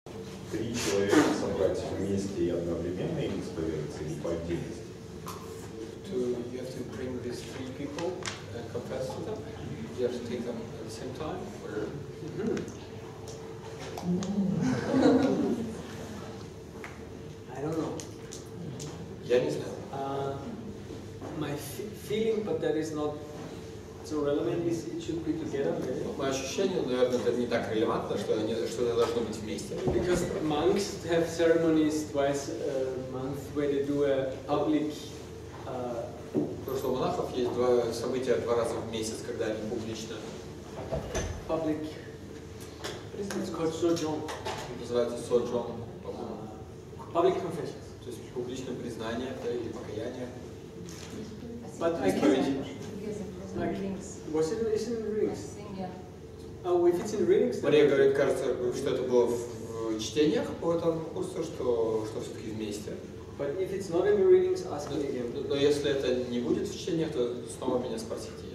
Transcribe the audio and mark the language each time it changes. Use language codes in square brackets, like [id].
[ru] три человека собрать вместе и одновременно им исповедоваться или по отдельности? [en] To, you have to bring these three people and confess to them. You have to take them at the same time. Or... I don't know. [ru] Я не знаю. [en] My feeling, but that is not so relevant. Is it should be together? [ru] Мое ощущение, наверное, это не так релевантно, что они что-то должно быть вместе. [en] Because monks have ceremonies twice a month where they do a public. [ru] Потому что у монахов есть два события два раза в месяц, когда они публично. [en] Public. It's called sojourn. [ru] Называется sojourn. [en] Public confessions. [ru] То есть публичное признание или покаяние. [en] But I can't. Like, was it in readings? Yeah. Oh, if it's in readings. [ru] Мария говорит, кажется, что это было в чтениях по этому курсу, что все-таки вместе. [en] But if it's not in readings, ask me again. [ru] Но если это не будет в чтениях, то снова меня спросите.